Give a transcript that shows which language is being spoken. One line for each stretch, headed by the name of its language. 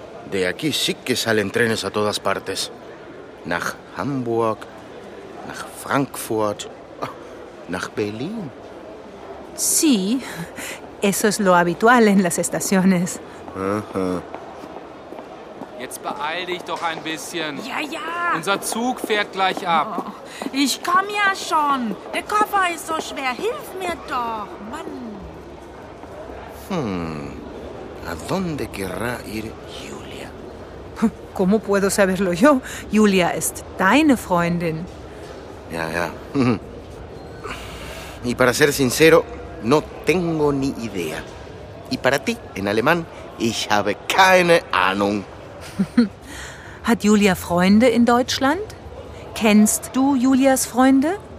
Spanish: De aquí sí que salen trenes a todas partes.
German: Nach Hamburg, nach Frankfurt, nach Berlin.
Spanish: Sí, eso es lo habitual en las estaciones. Uh-huh.
German: Jetzt beeil dich doch ein bisschen. Ja, ja. Unser Zug fährt gleich ab. Oh, ich komm ja schon. Der Koffer ist so schwer. Hilf mir doch, Mann.
Spanish: ¿A dónde querrá ir Julia? ¿Cómo puedo saberlo yo?
German: Julia ist deine Freundin. Ja, ja.
Spanish: Y para ser sincero, no tengo ni idea. Y para ti, en alemán,
German: ich habe keine Ahnung. ¿Hat Julia Freunde in Deutschland? ¿Kennst du Julias Freunde?